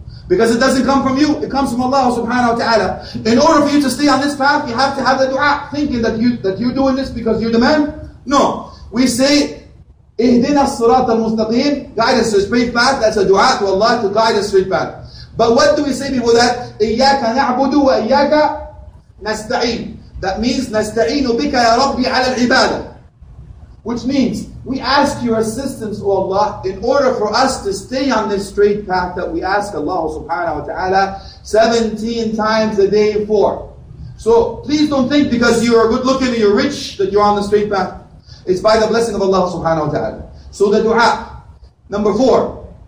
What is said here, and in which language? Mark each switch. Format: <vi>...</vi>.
<en>Because it doesn't come from you, it comes from Allah subhanahu wa ta'ala. In order for you to stay on this path, you have to have the dua, thinking that you're doing this because you're the man. No. We say,</en> <ar>اهدنا الصراط المستقيم</ar> <en>guide us to a straight path. That's a dua to Allah to guide us to a straight path. But what do we say before that?</en> <ar>إياك نعبد وإياك نستعين.</ar> <en>That means</en> <ar>نستعين بك يا ربي على العبادة.</ar> <en>Which means we ask your assistance, O Allah, in order for us to stay on this straight path that we ask Allah subhanahu wa ta'ala 17 times a day for. So please don't think because you are good looking and you're rich that you're on the straight path. It's by the blessing of Allah subhanahu wa ta'ala. So the dua. Number four.</en>